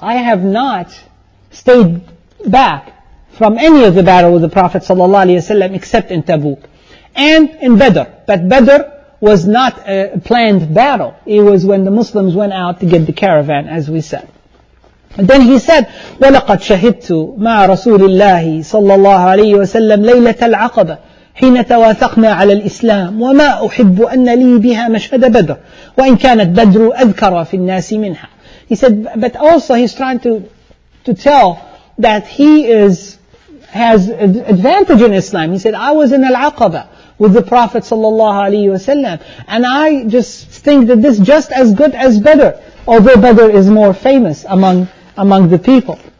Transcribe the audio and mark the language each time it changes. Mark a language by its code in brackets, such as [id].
[en] I have not stayed back from any of the battles with the Prophet sallallahu alaihi wasallam except in Tabuk and in Badr. But Badr was not a planned battle. It was when the Muslims went out to get the caravan, as we said. And then he said, [ar] وَلَقَدْ شَهِدْتُ مَعَ رَسُولِ اللَّهِ صَلَّى اللَّهُ عَلَيْهِ وَسَلَّمْ لَيْلَةَ الْعَقَبَةِ حِينَ تَوَاثَقْنَا عَلَى الْإِسْلَامِ وَمَا أُحِبُّ أَنَّ لِي بِهَا مَشْهَدَ بَدْرُ وَإِنْ كَانَتْ بَدْرُ أَذْكَرَ فِي النَّاسِ مِنْهَا. [en] He said, but also he's trying to tell that he has advantage in Islam. He said, I was in Al-Aqaba with the Prophet sallallahu alaihi wasallam, and I just think that this just as good as Badr, although Badr is more famous among the people.